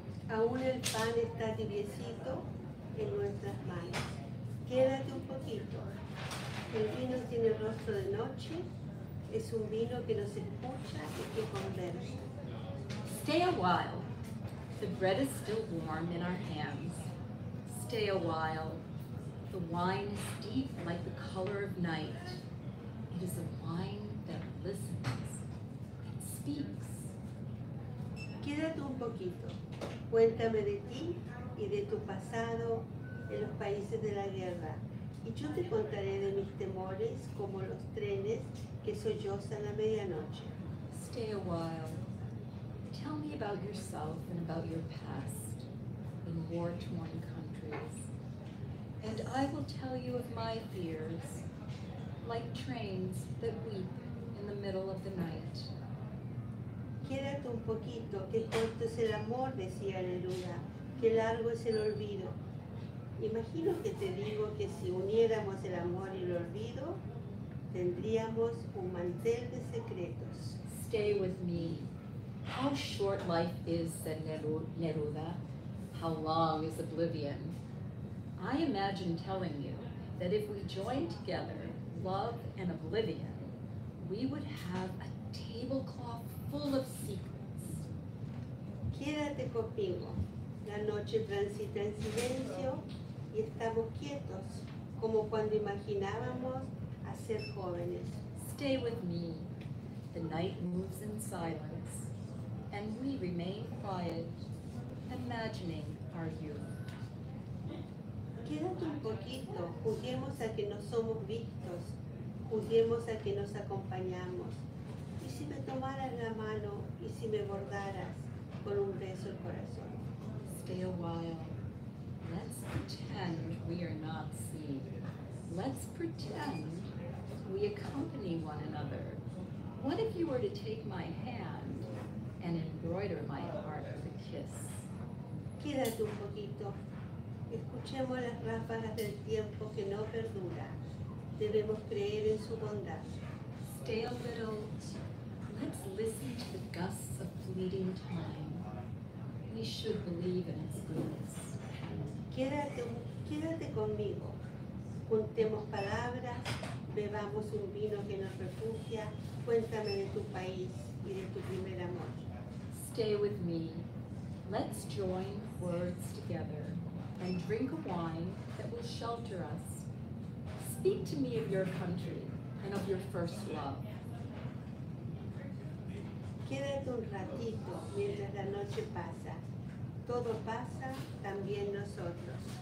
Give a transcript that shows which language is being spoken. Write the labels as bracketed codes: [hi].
[es] Aún el pan está tibiecito en nuestras manos. Quédate un poquito. El vino tiene el rostro de noche. Es un vino que nos escucha y que conversa. [en] Stay a while. The bread is still warm in our hands. Stay a while. The wine is deep like the color of night. It is a wine that listens. It speaks. [es] Quédate un poquito. Cuéntame de ti y de tu pasado en los países de la guerra. Y yo te contaré de mis temores como los trenes que sollozan a medianoche. [en] Stay a while. Tell me about yourself and about your past in war-torn countries. And I will tell you of my fears, like trains that weep in the middle of the night. [es] Quédate un poquito, que corto es el amor, decía Neruda, que largo es el olvido. Imagino que te digo que si uniéramos el amor y el olvido, tendríamos un mantel de secretos. [en] Stay with me. How short life is, said Neruda. How long is oblivion? I imagine telling you that if we joined together love and oblivion, we would have a tablecloth full of secrets. [es] Quédate conmigo. La noche transita en silencio y estamos quietos, como cuando imaginábamos a ser jóvenes. [en] Stay with me. The night moves in silence, and we remain quiet, imagining our youth. [es] Quédate un poquito. Juguemos a que no somos vistos. Juguemos a que nos acompañamos. Si me tomaras la mano y si me bordaras con un beso el corazón. [en] Stay a while. Let's pretend we are not seen. Let's pretend we accompany one another. What if you were to take my hand and embroider my heart with a kiss? [es] Quédate un poquito. Escuchemos las ráfagas del tiempo que no perdura. Debemos creer en su bondad. [en] Stay a little. Let's listen to the gusts of fleeting time. We should believe in its goodness. [es] Quédate conmigo. Juntemos palabras, bebamos un vino que nos refugia. Cuéntame de tu país y de tu primer amor. [en] Stay with me. Let's join words together and drink a wine that will shelter us. Speak to me of your country and of your first love. [es] Quédate un ratito mientras la noche pasa. Todo pasa, también nosotros.